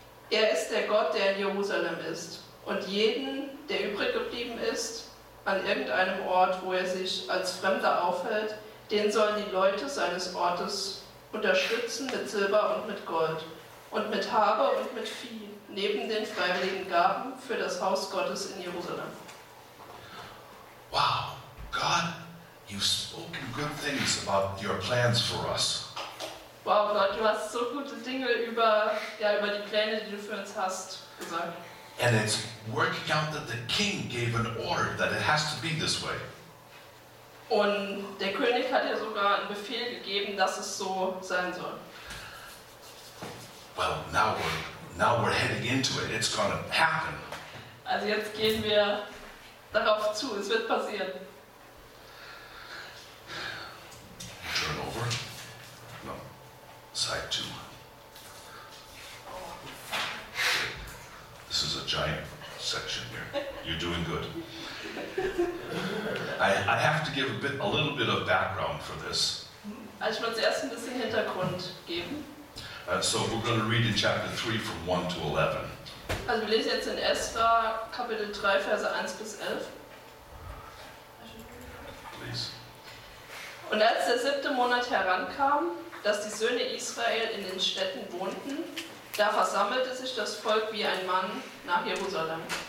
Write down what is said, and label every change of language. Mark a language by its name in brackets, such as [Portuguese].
[German] Er ist der Gott, der in Jerusalem ist, und jeden, der übrig geblieben ist, an irgendeinem Ort, wo er sich als Fremder aufhält, den sollen die Leute seines Ortes unterstützen mit Silber und mit Gold und mit Habe und mit Vieh, neben den freiwilligen Gaben für das Haus Gottes in Jerusalem. [English] Wow, God, you've spoken good things about your plans for us. [German] Wow, Gott, du hast so gute Dinge über die Pläne, die du für uns hast, gesagt. [English] And it's working out that the king gave an order that it has to be this way. [German] Und der König hat ja sogar einen Befehl gegeben, dass es so sein soll. [English] Well, now we're heading into it. It's going to happen. [German] Also jetzt gehen wir darauf zu. Es wird passieren. [English] Turn over. No. Side 2. This is a giant section here. You're doing good. I have to give a little bit of background for this. [German] Ich muss erst ein bisschen Hintergrund geben. [English] So we're going to read in chapter 3 from 1 to 11. [German] Also wir lesen jetzt in Esra Kapitel 3 Verse 1 bis 11. [English] Please. [German] Und als der siebte Monat herankam, dass die Söhne Israel in den Städten wohnten, da versammelte sich das Volk wie ein Mann nach Jerusalem.